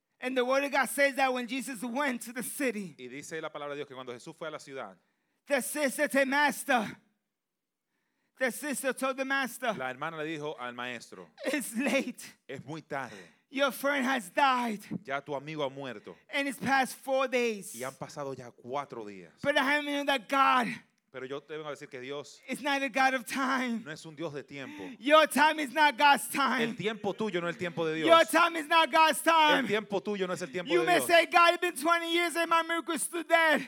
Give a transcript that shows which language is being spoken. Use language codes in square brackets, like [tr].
[en] And the word of God says that when Jesus went to the city. [es] Y dice la palabra de Dios que cuando Jesús fue a la ciudad. [en] The sister to master. The sister told the master. [es] La hermana le dijo al maestro. [en] It's late. [es] Es muy tarde. [en] Your friend has died. [es] Ya tu amigo ha muerto. [en] And it's past 4 days. [es] Y han pasado ya 4 días. [en] But I mean that God. [es] Pero yo te vengo a decir que Dios. [en] It's not a God of time. [es] No es un Dios de tiempo. [en] Your time is not God's time. [es] El tiempo tuyo no es el tiempo de Dios. [en] Your time is not God's time. [es] El tiempo tuyo no es el tiempo [en] you [es] de Dios. [en] You may say, God, it's been 20 years and my miracle is still dead.